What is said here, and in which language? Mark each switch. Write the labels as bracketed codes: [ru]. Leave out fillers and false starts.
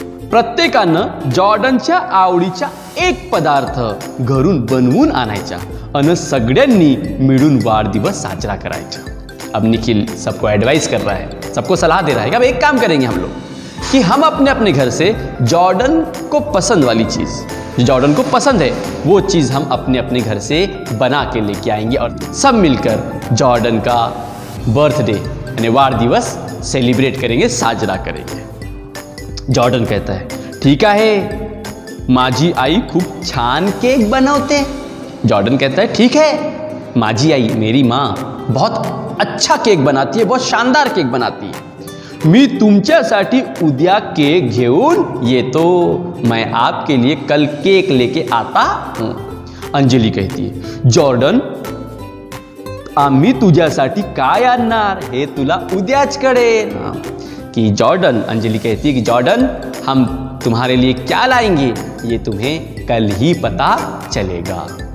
[mr] प्रत्येकानं जॉर्डनच्या आवडीचा एक पदार्थ घरून बनवून आणायचा आणि सगळ्यांनी मिळून वाढदिवस साजरा करायचा. [hi] अब निखिल सबको ॲडवाईस कर रहा है, सबको सलाह दे रहा है कि अब एक काम करेंगे हम लोग कि हम अपने अपने घर से जॉर्डन को पसंद वाली चीज़ जो जॉर्डन को पसंद है वो चीज़ हम अपने अपने घर से बना के लेके आएंगे और सब मिलकर जॉर्डन का बर्थडे यानी वार दिवस सेलिब्रेट करेंगे, साजरा करेंगे. जॉर्डन कहता है [mr] ठीक आहे माझी आई खूप छान केक बनवते. [hi] जॉर्डन कहता है ठीक है [mr] माझी आई [hi] मेरी माँ बहुत अच्छा केक बनाती है, बहुत शानदार केक बनाती है. [mr] मी तुमच्यासाठी उद्या केक घेऊन येतो, [hi] मैं आपके लिए कल केक लेके आता हूँ. [mr] अंजलि कहती है जॉर्डन आम्ही तुझ्यासाठी काय आणणार हे तुला उद्याच कळेल. [hi] कि जॉर्डन अंजलि कहती है कि जॉर्डन हम तुम्हारे लिए क्या लाएंगे ये तुम्हें कल ही पता चलेगा.